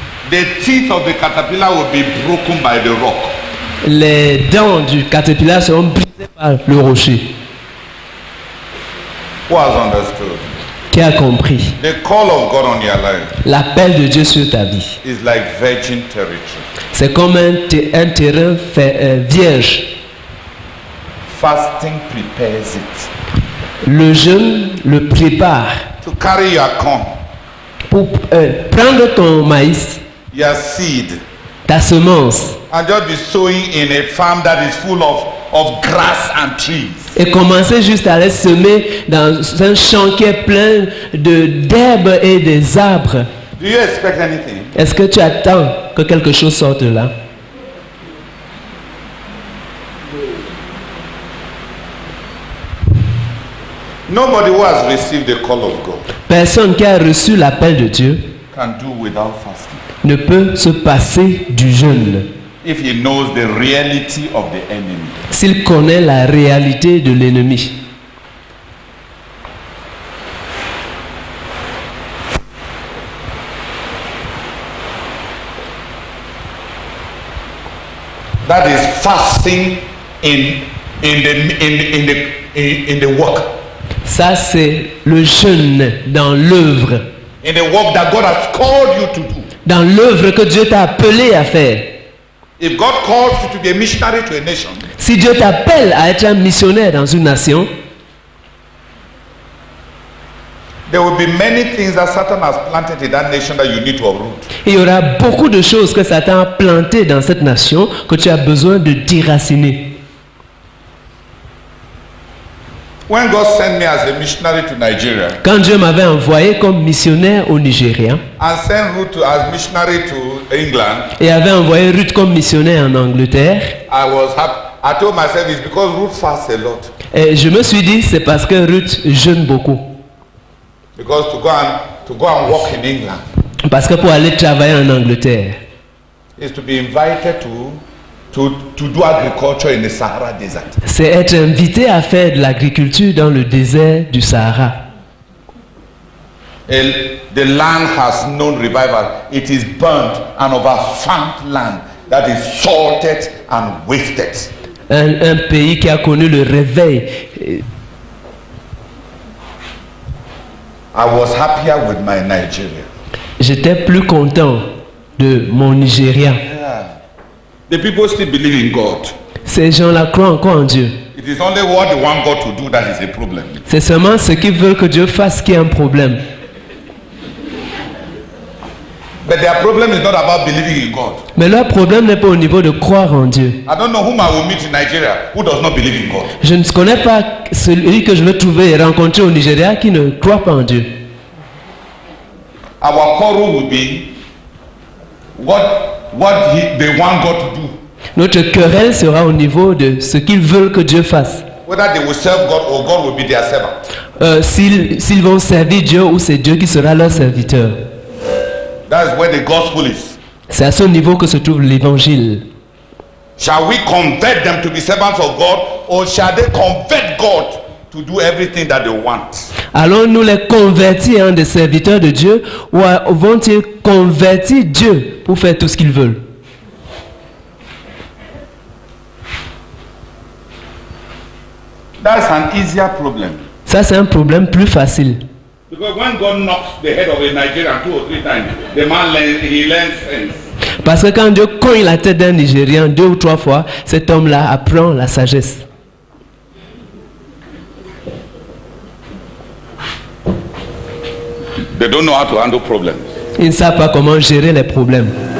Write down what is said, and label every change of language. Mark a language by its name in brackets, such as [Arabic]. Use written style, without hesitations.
[English] the teeth of the caterpillar will be broken by the rock. [French] Les dents du caterpillar seront brisées par le rocher. [English] Who has understood? [French] Qui a compris? [English] The call of God on your life. [French] L'appel de Dieu sur ta vie. [English] Is like virgin territory. [French] C'est comme un terrain vierge. [English] Fasting prepares it. [French] Le jeûne le prépare. [English] To carry your corn. [French] Pour prendre ton maïs. [English] Your seed. [French] Ta semence. [English] And just be sowing in a farm that is full of grass and trees. [French] Et commencer juste à les semer dans un champ qui est plein de d'herbes et des arbres. [English] Do you expect anything? [French] Est-ce que tu attends que quelque chose sorte de là? [English] Nobody who has received the call of God. [French] Personne qui a reçu l'appel de Dieu [English] can do without fasting. [French] Ne peut se passer du jeûne. [English] If he knows the reality of the enemy. [French] S'il connaît la réalité de l'ennemi. [English] That is fasting in the work. [French] Ça c'est le jeûne dans l'œuvre. [English] In the work that God has called you to do. [French] Dans l'œuvre que Dieu t'a appelé à faire. [English] If God calls you to be a missionary to a nation. [French] Si Dieu t'appelle à être un missionnaire dans une nation. [English] There will be many things that Satan has planted in that nation that you need to uproot. [French] Il y aura beaucoup de choses que Satan a plantées dans cette nation que tu as besoin de déraciner. [English] When God sent me as a missionary to Nigeria. [French] Quand Dieu m'avait envoyé comme missionnaire au Nigeria. [English] And sent Ruth as missionary to England. [French] Et avait envoyé Ruth comme missionnaire en Angleterre. [English] I was happy. I told myself it's because Ruth fasts a lot. [French] Et je me suis dit c'est parce que Ruth jeûne beaucoup. [English] Because to go and work in England. [French] Parce que pour aller travailler en Angleterre. [English] Is to be invited to do agriculture in the Sahara Desert. [French] C'est être invité à faire de l'agriculture dans le désert du Sahara. [English] And the land has no revival. It is burnt and overfarmed land that is salted and wasted. [French] Un pays qui a connu le réveil. [English] I was happier with my Nigeria. [French] J'étais plus content de mon Nigeria. [English] The people still believe in God. [French] Ces gens-là croient encore en Dieu. [English] It is only what they want God to do that is a problem. [French] C'est seulement ce qu'ils veulent que Dieu fasse qui est un problème. [English] But their problem is not about believing in God. [French] Mais leur problème n'est pas au niveau de croire en Dieu. [English] I don't know whom I will meet in Nigeria who does not believe in God. [French] Je ne connais pas celui que je vais trouver et rencontrer au Nigeria qui ne croit pas en Dieu. [English] Our quarrel will be what they want God to do. [French] Notre querelle sera au niveau de ce qu'ils veulent que Dieu fasse. [English] Whether they will serve God or God will be their servant. [French] S'ils vont servir Dieu ou c'est Dieu qui sera leur serviteur. [English] That is where the gospel is. [French] C'est à ce niveau que se trouve l'évangile. [English] Shall we convert them to be servants of God or shall they convert God to do everything that they want? [French] Allons-nous les convertir en des serviteurs de Dieu ou vont-ils convertir Dieu pour faire tout ce qu'ils veulent? [English] That's an easier problem. [French] Ça c'est un problème plus facile. [English] Because when God knocks the head of a Nigerian two or three times, the man learns sense. [French] Parce que quand Dieu cogne la tête d'un Nigérian deux ou trois fois, cet homme-là apprend la sagesse. [English] They don't know how to handle problems. [French] Ils ne savent pas comment gérer les problèmes.